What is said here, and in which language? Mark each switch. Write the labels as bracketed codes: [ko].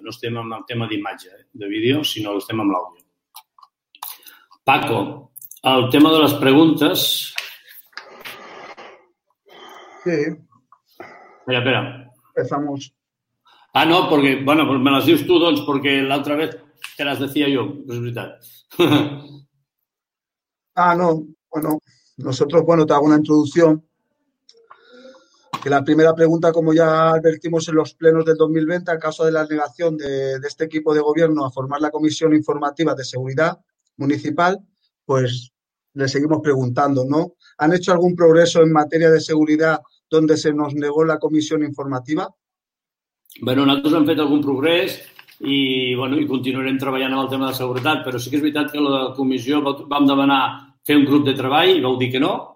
[ca] No estem amb el tema d'imatge, de vídeo, sinó estem amb l'àudio. Paco, el tema de les preguntes... Sí. Espera. [es] Empezamos. Ah, no, porque, bueno, pues me las dices tú, doncs, porque la otra vez te las decía yo, pues es verdad. Ah, no, bueno, nosotros, bueno, te hago una introducción. Que la primera pregunta, como ya advertimos en los plenos del 2020, al caso de la negación de este equipo de gobierno a formar la Comisión Informativa de Seguridad Municipal, pues le seguimos preguntando, ¿no? ¿Han hecho algún progreso en materia de seguridad donde se nos negó la comisión informativa? [ca] Bueno, nosaltres hem fet algun progrés i, bueno, i continuarem treballant amb el tema de seguretat, però sí que és veritat que la comissió vam demanar fer un grup de treball i vau dir que no,